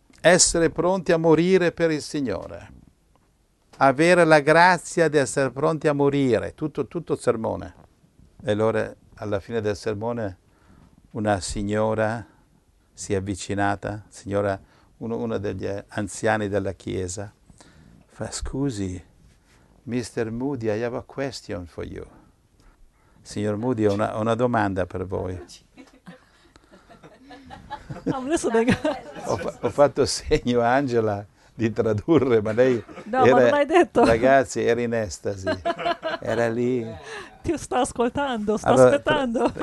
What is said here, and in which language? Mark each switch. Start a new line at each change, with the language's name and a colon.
Italian: Essere pronti a morire per il Signore. Avere la grazia di essere pronti a morire, tutto il sermone. E allora, alla fine del sermone, una signora si è avvicinata, signora, uno degli anziani della chiesa, fa: scusi, Mr.
English: Moody, I have a question for you.
Italian: Signor Moody, ho una domanda per voi. ho fatto segno a Angela di tradurre, ma lei... No, era, ma non l'hai detto. Ragazzi, era in estasi. Era lì. Ti sto ascoltando, sto allora, aspettando.